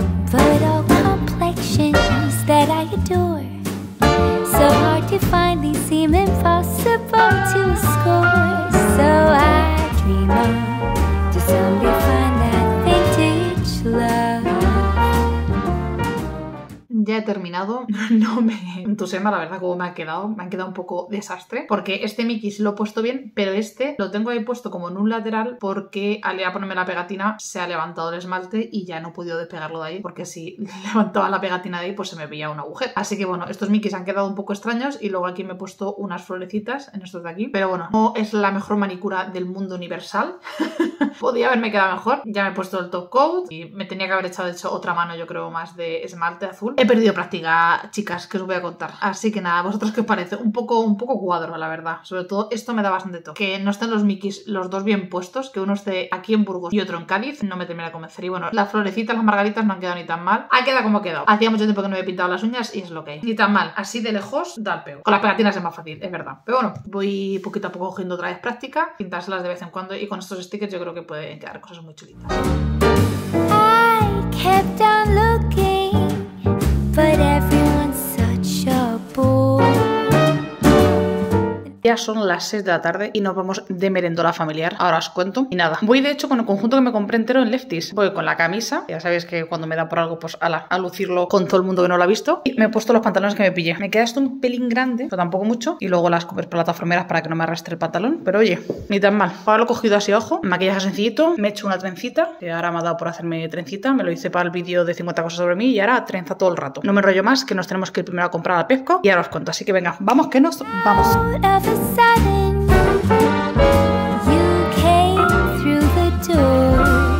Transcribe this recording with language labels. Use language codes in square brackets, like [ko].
[en] But all complexions that I adore, so hard to find, these seem impossible to score. So I dream of, to someday find that vintage love. [es] Ya he terminado, no me entusiasma la verdad cómo me ha quedado, me han quedado un poco desastre, porque este Mickey sí lo he puesto bien, pero este lo tengo ahí puesto como en un lateral porque al ir a ponerme la pegatina se ha levantado el esmalte y ya no he podido despegarlo de ahí, porque si levantaba la pegatina de ahí pues se me veía un agujero. Así que bueno, estos Mickeys han quedado un poco extraños y luego aquí me he puesto unas florecitas en estos de aquí, pero bueno, no es la mejor manicura del mundo universal. Podía haberme quedado mejor, ya me he puesto el top coat y me tenía que haber echado de hecho otra mano, yo creo, más de esmalte azul. He perdido práctica, chicas, que os voy a contar. Así que nada, ¿vosotros qué os parece? Un poco cuadro, la verdad. Sobre todo, esto me da bastante toque. Que no estén los Mickeys los dos bien puestos, que uno esté aquí en Burgos y otro en Cádiz, no me termina de convencer. Y bueno, las florecitas, las margaritas no han quedado ni tan mal. Ha quedado como ha quedado. Hacía mucho tiempo que no me había pintado las uñas y es lo que hay. Ni tan mal. Así de lejos, da el peo. Con las pegatinas es más fácil, es verdad. Pero bueno, voy poquito a poco cogiendo otra vez práctica, pintárselas de vez en cuando y con estos stickers yo creo que pueden quedar cosas muy chulitas. [en] I kept on looking. But everyone's such a bore. [es] Ya son las 6 de la tarde y nos vamos de merendola familiar. Ahora os cuento. Y nada, voy de hecho con el conjunto que me compré entero en Lefties. Voy con la camisa, ya sabéis que cuando me da por algo, pues ala, a lucirlo con todo el mundo que no lo ha visto. Y me he puesto los pantalones que me pillé. Me queda esto un pelín grande, pero tampoco mucho. Y luego las plataformeras para que no me arrastre el pantalón. Pero oye, ni tan mal. Ahora lo he cogido así, ojo. Maquillaje sencillito. Me he hecho una trencita, que ahora me ha dado por hacerme trencita. Me lo hice para el vídeo de 50 cosas sobre mí y ahora trenza todo el rato. No me enrollo más, que nos tenemos que ir primero a comprar al Pepco. Y ahora os cuento. Así que venga, vamos, que nos vamos. [en] Sudden, you came through the door.